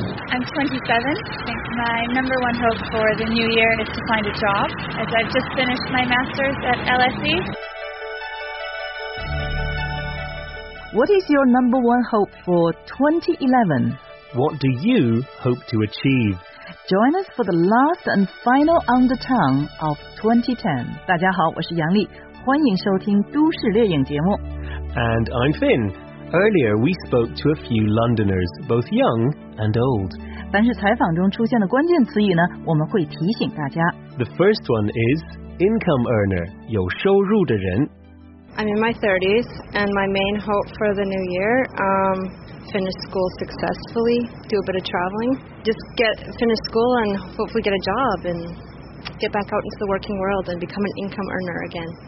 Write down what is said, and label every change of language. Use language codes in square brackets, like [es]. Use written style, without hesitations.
[en] I'm 27. My number one hope for the new year is to find a job, as I've just finished my master's at LSE. What is your number one hope for 2011? What do you hope to achieve? Join us for the last and final On the Town of 2010. [zh] 大家好，我是杨丽，欢迎收听《都市猎影》节目。 [en] And I'm Finn. Earlier, we spoke to a few Londoners, both young and old. [zh] 但是采访中出现的关键词语呢，我们会提醒大家。 [en] The first one is income earner, [zh] 有收入的人。 [en] I'm in my 30s, and my main hope for the new year, finish school successfully, do a bit of traveling, just finish school and hopefully get a job and get back out into the working world and become an income earner again.